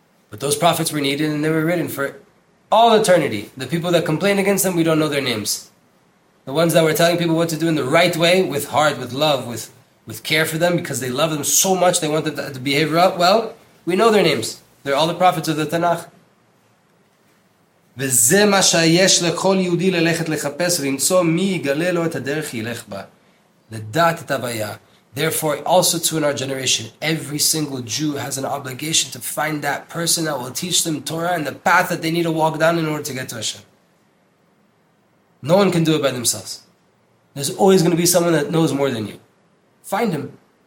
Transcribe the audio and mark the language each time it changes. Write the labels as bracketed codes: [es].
[en] But those prophets were needed and they were written for all eternity. The people that complain against them, we don't know their names. The ones that were telling people what to do in the right way, with heart, with love, with care for them, because they love them so much, they want them to behave right, well, we know their names. They're all the prophets of the Tanakh. [he] וזה מה שיש לכל יהודי ללכת לחפש ולמצוא מי יגלה לו את הדרך ילך בה. לדעת את הבעיה. [en] Therefore, also to in our generation, every single Jew has an obligation to find that person that will teach them Torah and the path that they need to walk down in order to get to Hashem. No one can do it by themselves. There's always going to be someone that knows more than you. Find him.